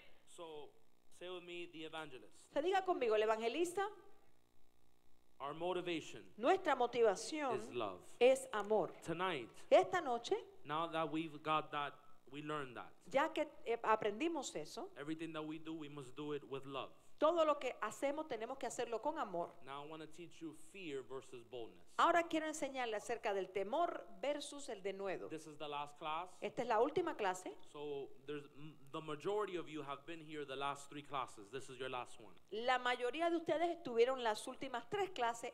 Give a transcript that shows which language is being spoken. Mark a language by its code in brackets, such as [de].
[en] So say with me, the evangelist. [es] Se diga conmigo, el evangelista. [en] Our motivation. [es] Nuestra motivación [en] is love. [es] Es amor. [en] Tonight. [es] Esta noche. [en] Now that we've got that. We learned that. [es] Ya que aprendimos eso. [en] Everything that we do, we must do it with love. [es] Todo lo que hacemos, tenemos que hacerlo con amor. [en] Now I want to teach you fear versus boldness. [es] Ahora quiero enseñarle acerca del temor versus el denuedo. [en] This is the last class. [es] Esta es la última clase. [en] So there's the majority of you have been here the last three classes. This is your last one. [es] La mayoría de ustedes estuvieron las últimas tres clases.